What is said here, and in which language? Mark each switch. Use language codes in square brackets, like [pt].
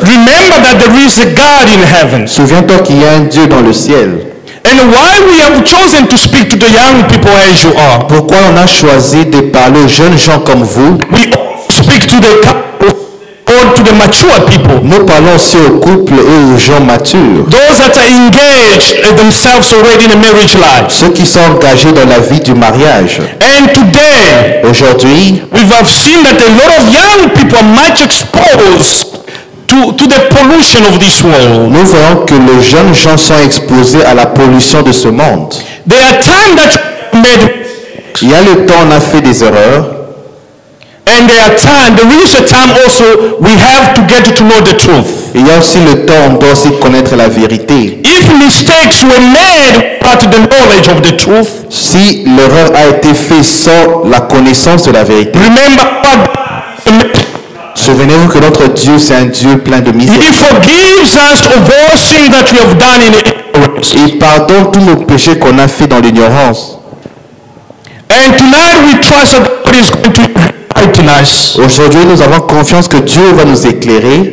[en] Remember that there is a God in heaven. [fr] Souviens-toi qu'il y a un Dieu dans le ciel. [en] And why we have chosen to speak to the young people as you are? [fr] Pourquoi on a choisi de parler aux jeunes gens comme vous? [en] We speak to the or to the mature people. [fr] Nous parlons aussi aux couples et aux gens matures. [en] Those that are engaged themselves already in a marriage life. [fr] Ceux qui sont engagés dans la vie du mariage. [en] And today, [fr] aujourd'hui, [en] we have seen that a lot of young people are much exposed to the pollution of this world. [fr] Nous voyons que les jeunes gens sont exposés à la pollution de ce monde. [en] There are times that [fr] il y a le temps on a fait des erreurs. [en] And there are time. There is a time also we have to get to know the truth. [fr] Il y a aussi le temps on doit aussi connaître la vérité. [en] If mistakes were made without the knowledge of the truth, [fr] si l'erreur a été faite sans la connaissance de la vérité. [en] Remember, [fr] Souvenez-vous que notre Dieu, c'est un Dieu plein de miséricorde. [en] He forgives us of all sin that we have done in ignorance. [fr] Il pardonne tous nos péchés qu'on a fait dans l'ignorance. [en] And tonight we trust that God is going to enlighten us. [fr] Aujourd'hui, nous avons confiance que Dieu va nous éclairer